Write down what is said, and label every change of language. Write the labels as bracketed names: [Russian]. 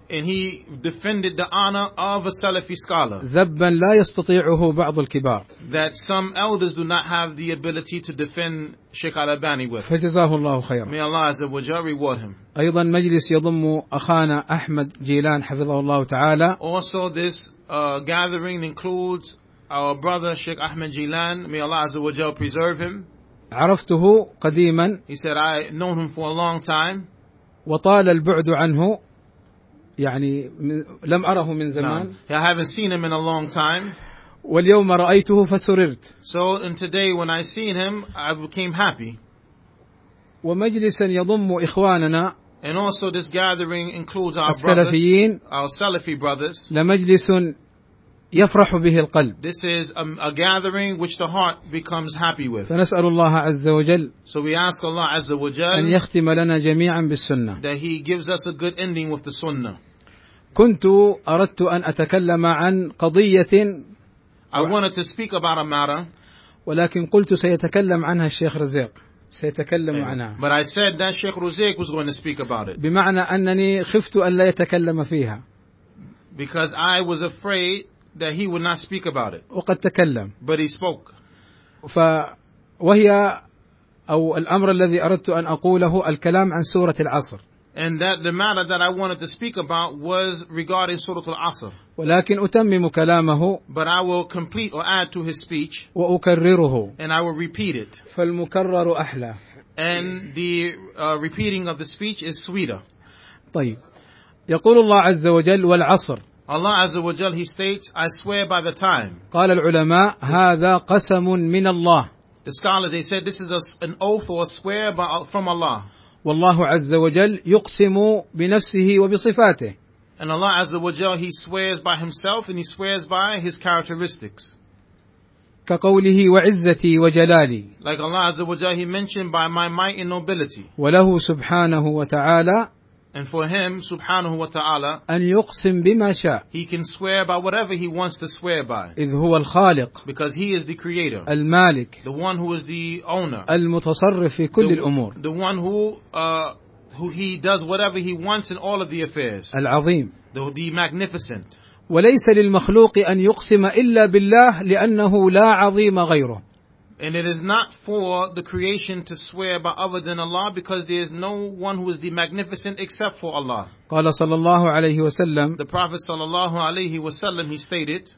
[English] And he defended the honor of a Salafi scholar. [Arabic] ذبا لا يستطيعه بعض الكبار. [English] That some elders do not have the ability to defend Sheikh Al-Albani with. [Arabic] فجزاه الله خيرا. [English] May Allah Azza wa Jalla reward him. [Arabic] أيضا مجلس يضم أخانا أحمد جيلان حفظه الله تعالى. [English] Also this gathering includes our brother Sheikh Ahmed Jilan. May Allah Azza wa Jalla preserve him. [Arabic] عرفته قديما. [English] He said, I known him for a long time. [Arabic] وطال البعد عنه يعني لم أره من زمان. [English] No. I haven't seen him in a long time. [Arabic] واليوم رأيته فسررت. [English] So in today when I seen him, I became happy. [Arabic] ومجلسا يضم إخواننا. [English] And also this gathering includes our السلفيين. Brothers, our Salafi brothers. [Arabic] لمجلس يفرح به القلب. [English] This is a gathering which the heart becomes happy with. [Arabic] فنسأل الله عز وجل. [English] So we ask Allah عز وجل. [Arabic] أن يختم لنا جميعا بالسنة. [English] That he gives us a good ending with the sunnah. [Arabic] كنت أردت أن أتكلم عن قضية. [English] I wanted to speak about a matter. [Arabic] ولكن قلت سيتكلم عنها الشيخ رزيق. سيتكلم عنها. [English] But I said that Sheikh Ruzaik was going to speak about it. [Arabic] بمعنى أنني خفت أن لا يتكلم فيها. [English] Because I was afraid that he would not speak about it. [Arabic] وقد تكلم. [English] But he spoke. [Arabic] فوهي أو الأمر الذي أردت أن أقوله الكلام عن سورة العصر. [English] And that the matter that I wanted to speak about was regarding Surah Al-Asr. [Arabic] ولكن أتمم كلامه. [English] But I will complete or add to his speech. [Arabic] وأكرره. [English] And I will repeat it. [Arabic] فالمكرر أحلى. [English] And the repeating of the speech is sweeter. [Arabic] طيب. يقول الله عز وجل والعصر. [English] Allah Azza wa Jalla, he states, I swear by the time. [Arabic] قال العلماء هذا قسم من الله. [English] The scholars, they said, this is an oath or a swear from Allah. [Arabic] والله عز وجل يقسم بنفسه وبصفاته. [English] And Allah Azza wa Jalla, he swears by himself and he swears by his characteristics. [Arabic] كقوله وعزتي وجلالي. [English] Like Allah Azza wa Jalla, he mentioned by my might and nobility. [Arabic] وله سبحانه وتعالى. [English] And for him, سبحانه وتعالى. [Arabic] أن يقسم بما شاء. [English] He can swear by whatever he wants to swear by. [Arabic] إذ هو الخالق. [English] Because he is the creator. [Arabic] المالك. [English] The one who is the owner. [Arabic] المتصرف في كل الأمور. [English] The one who he does whatever he wants in all of the affairs. [Arabic] العظيم. [English] The magnificent. [Arabic] وليس للمخلوق أن يقسم إلا بالله لأنه لا عظيم غيره. [English] And it is not for the creation to swear by other than Allah because there is no one who is the magnificent except for Allah. [Arabic] قال صلى الله عليه وسلم [English] The Prophet صلى الله عليه وسلم he stated